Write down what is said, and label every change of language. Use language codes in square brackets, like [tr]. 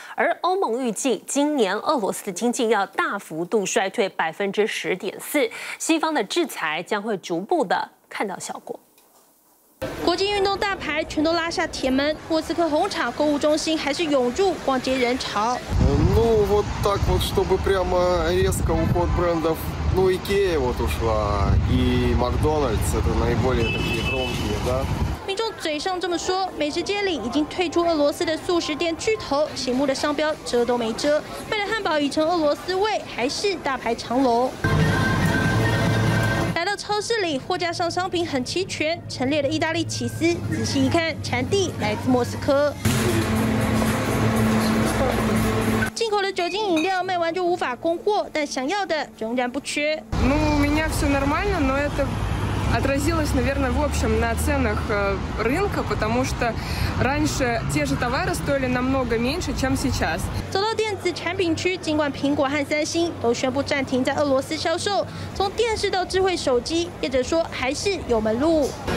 [zh] 而欧盟预计今年俄罗斯的经济要大幅度衰退10.4%，西方的制裁将会逐步的看到效果。国际运动大牌全都拉下铁门，莫斯科红场购物中心还是涌入逛街人潮。 [ru] Ну вот так вот, чтобы прямо резко уход брендов, ну IKEA вот ушла и McDonald's это наиболее такие громкие, да? [zh] 民众嘴上这么说，美食街里已经退出俄罗斯的素食店巨头，醒目的商标遮都没遮。为了汉堡已成俄罗斯味，还是大排长龙。来到超市里，货架上商品很齐全，陈列的意大利起司，仔细一看，产地来自莫斯科。进口的酒精饮料卖完就无法供货，但想要的仍然不缺。 [ru] Ну, у меня все нормально, но это... отразилось, наверное, в общем, на ценах рынка, потому что раньше те же товары стоили намного меньше, чем сейчас. [zh] 走到电子产品区，尽管苹果和三星都宣布暂停在俄罗斯销售，从电视到智慧手机，业者说还是有门路。